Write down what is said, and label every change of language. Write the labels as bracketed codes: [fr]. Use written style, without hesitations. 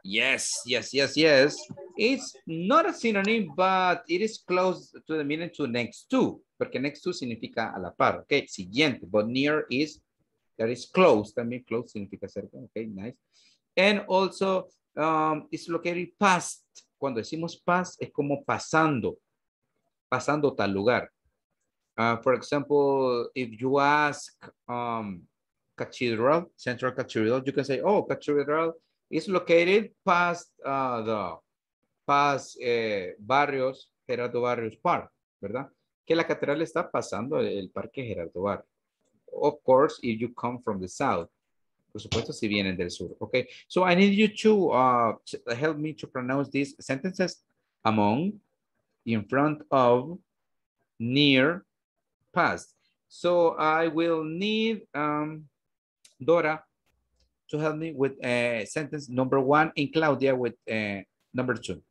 [en] Yes, yes, yes, yes. It's not a synonym, but it is close to the meaning to next to, [es] porque [en] next to [es] significa a la par, [en] okay? Siguiente, but near is, that is close, that means close [es] significa cerca, [en] okay, nice. And also, it's located past. [es] Cuando decimos past, es como pasando tal lugar. [en] For example, if you ask cathedral, central cathedral, you can say, oh, cathedral is located past Barrios, Gerardo Barrios Park, [es] ¿verdad? Que la catedral está pasando el parque Gerardo Barrios. [en] Of course, if you come from the south, [es] por supuesto, si vienen del sur, [en] okay? So I need you to help me to pronounce these sentences: among, in front of, near, past. So I will need Dora to help me with sentence number one and Claudia with number two.